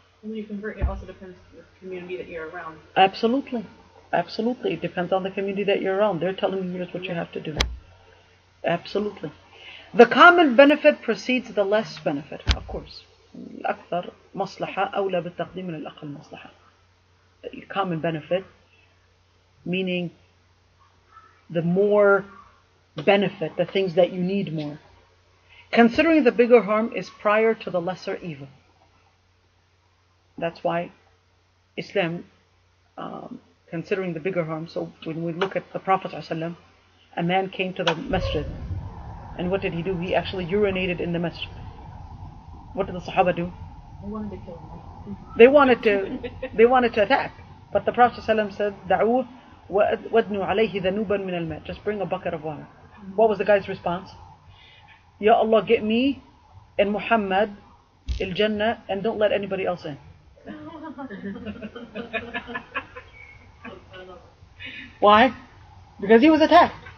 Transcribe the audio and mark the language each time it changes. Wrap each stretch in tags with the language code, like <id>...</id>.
<en>When you convert, it also depends on the community that you're around. Absolutely. Absolutely. It depends on the community that you're around. They're telling you here's what you have to do. Absolutely. The common benefit precedes the less benefit, of course.</en> <ar>الأكثر مصلحة أولى بالتقديم من الأقل مصلحة.</ar> <en>The common benefit, meaning the more benefit, the things that you need more. Considering the bigger harm is prior to the lesser evil. That's why Islam, considering the bigger harm, so when we look at the Prophet ﷺ, a man came to the masjid, and what did he do? He actually urinated in the masjid. What did the Sahaba do? They wanted to attack. But the Prophet ﷺ said,</en> <ar>دعوه وادنوا عليه ذنوبا من الماء.</ar> <en>Just bring a bucket of water. What was the guy's response? Ya Allah, get me and Muhammad al Jannah and don't let anybody else in. Why? Because he was attacked.</en>